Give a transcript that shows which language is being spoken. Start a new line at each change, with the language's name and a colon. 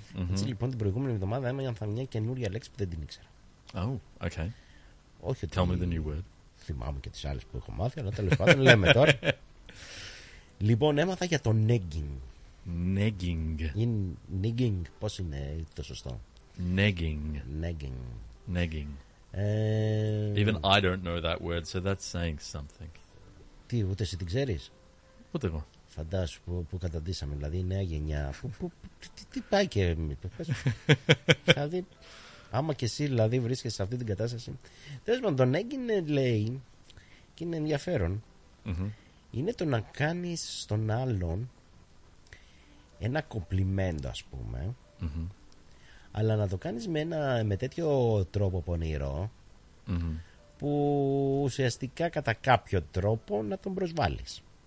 Greek: Έτσι λοιπόν την προηγούμενη εβδομάδα έμαθα μια καινούρια λέξη που δεν την ήξερα.
English: Oh, okay.
Greek: Όχι
English: ότι... Tell me the new word.
Greek: Θυμάμαι και τις άλλες που έχω μάθει, αλλά τέλος πάντων λέμε τώρα. Λοιπόν, έμαθα για το negging.
English: Negging.
Greek: Negging, πώς είναι το σωστό.
English: Negging. Negging. Negging. Even I don't know that word, so that's saying something.
Greek: Τι, ούτε εσύ την ξέρεις? Ούτε εγώ. Φαντάσου που καταντήσαμε, δηλαδή η νέα γενιά. Τι πάει και εμεί. Δηλαδή, άμα και εσύ δηλαδή βρίσκεσαι σε αυτή την κατάσταση. Τέλος πάντων, τον έγινε λέει, και είναι ενδιαφέρον, είναι το να κάνεις στον άλλον ένα κοπλιμέντο, ας πούμε, αλλά να το κάνεις με τέτοιο τρόπο πονηρό, που ουσιαστικά κατά κάποιο τρόπο να τον προσβάλλεις.